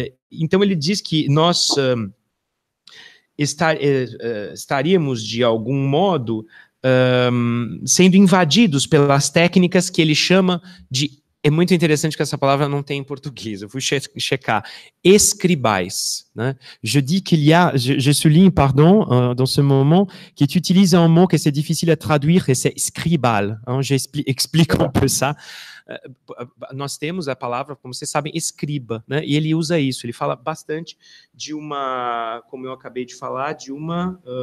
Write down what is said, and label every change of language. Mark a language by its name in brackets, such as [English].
[Portuguese] Então ele diz que nós estaríamos, de algum modo, sendo invadidos pelas técnicas que ele chama de... É muito interessante que essa palavra não tem em português, eu fui checar. Escribais, né? [French] Je dis qu'il y a, je souligne, pardon, dans ce moment, que tu utilises un mot que c'est difficile à traduire, et c'est scribal. J'explique un peu ça. [Portuguese] Nós temos a palavra, como vocês sabem, escriba, né? E ele usa isso, ele fala bastante de uma, como eu acabei de falar, de uma...